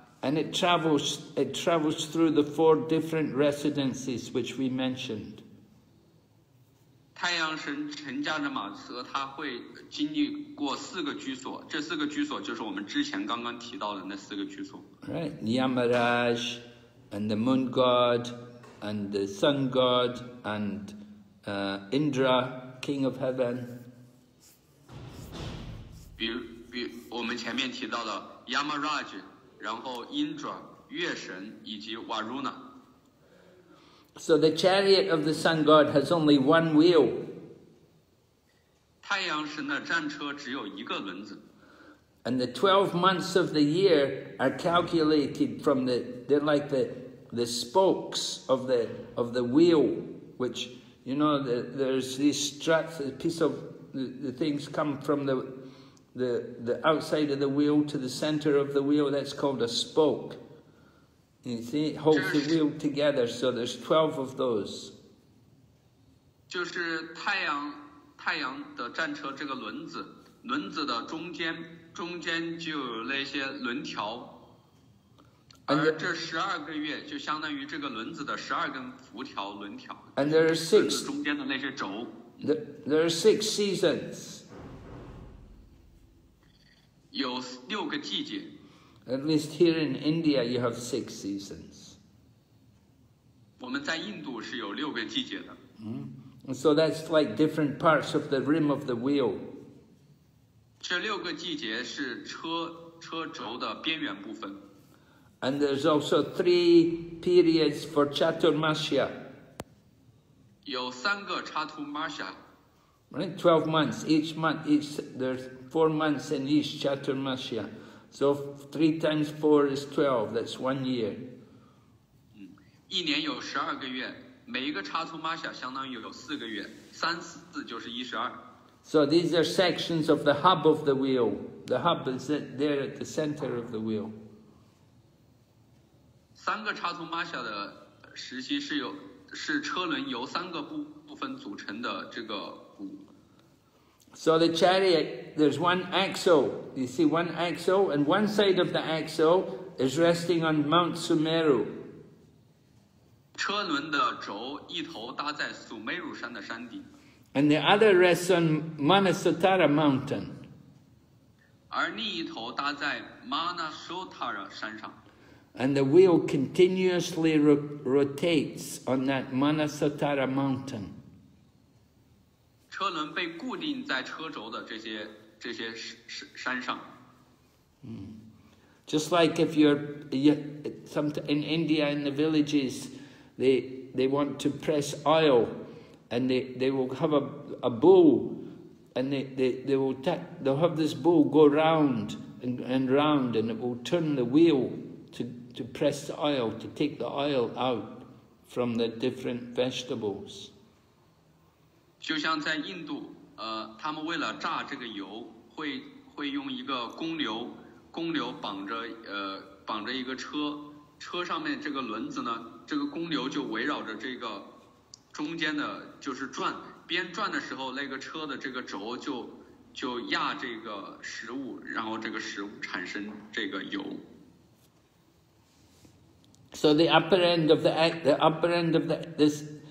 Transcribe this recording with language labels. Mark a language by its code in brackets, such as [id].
[en] And it travels through the four different residences which we mentioned. [zh] 太阳神沉降着马车，它会经历过四个居所，这四个居所就是我们之前刚刚提到的那四个居所。 [en] Right, Yamaraj, and the moon god, and the sun god, and Indra, king of heaven. [zh] 比如我们前面提到的 Yamaraj, 然后 Indra, 月神以及 Varuna。 [en] So the chariot of the sun god has only one wheel. [zh] 太阳神的战车只有一个轮子。 [en] And the 12 months of the year are calculated from the, they're like the spokes of the wheel, which, you know, there's these struts, a piece of the things come from the outside of the wheel to the center of the wheel, that's called a spoke. You see, it holds the wheel together, so there's 12 of those. [zh] 就是太阳的战车这个轮子的中间就有那些轮条。而这十二个月就相当于这个轮子的十二根辐条轮条。 [en] And there are six. [zh] 中间的那些轴。 [en] There are six seasons. [zh] 有六个季节。 [en] At least here in India, you have six seasons. [zh] 我们在印度是有六个季节的。 [en] So that's like different parts of the rim of the wheel. [zh] 这六个季节是车轴的边缘部分。 [en] And there's also three periods for Chaturmasya. [zh] 有三个 Chaturmasya. [en] Right, 12 months. Each month, there's 4 months in each Chaturmasya. So 3 times 4 is 12, that's 1 year. [zh] 一年有十二个月，每一个查图玛夏相当于有四个月，三四四就是一十二。 [en] So these are sections of the hub of the wheel. The hub is there at the center of the wheel. [zh] 三个查图玛夏的时期是车轮由三个部分组成的这个骨。 [en] So the chariot, there's one axle, you see one axle, and one side of the axle is resting on Mount Sumeru. [zh] 车轮的轴一头搭在苏梅鲁山的山顶。 [en] And the other rests on Manasatara Mountain. [zh] 而另一头搭在 Manasatara 山上。 [en] And the wheel continuously rotates on that Manasatara Mountain. [zh] 车轮被固定在车轴的这些山上。 [en] Just like if in India in the villages, they want to press oil, and they will have a bull, and they'll have this bull go round and round, and it will turn the wheel to press the oil to take the oil out from the different vegetables. [zh] 就像在印度，他们为了榨这个油，会用一个公牛绑着一个车上面这个轮子呢，这个公牛就围绕着这个中间的，就是转，边转的时候，那个车的这个轴就压这个食物，然后这个食物产生这个油。 [en] So the upper end of the upper end of the this.